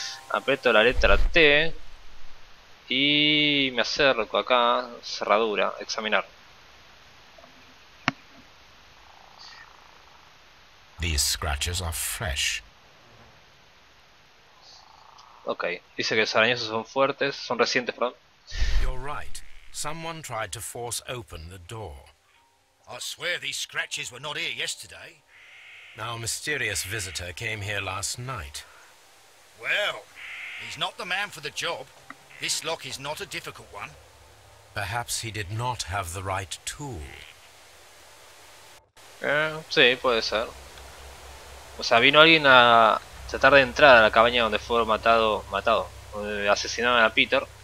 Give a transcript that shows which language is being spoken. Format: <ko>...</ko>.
<es>Aprieto la letra T. Y me acerco acá, cerradura, examinar.</es> <en>These scratches are fresh.</en> <es>Ok, dice que los arañazos son fuertes, son recientes, perdón.</es> <en>You're right. Someone tried to force open the door. I swear these scratches were not here yesterday. Our mysterious visitor came here last night. Well, he's not the man for the job. This lock is not a difficult one. Perhaps he did not have the right tool.</en> <es>Sí, puede ser. O sea, vino alguien a tratar de entrar a la cabaña donde fue matado, asesinado a Peter.</es>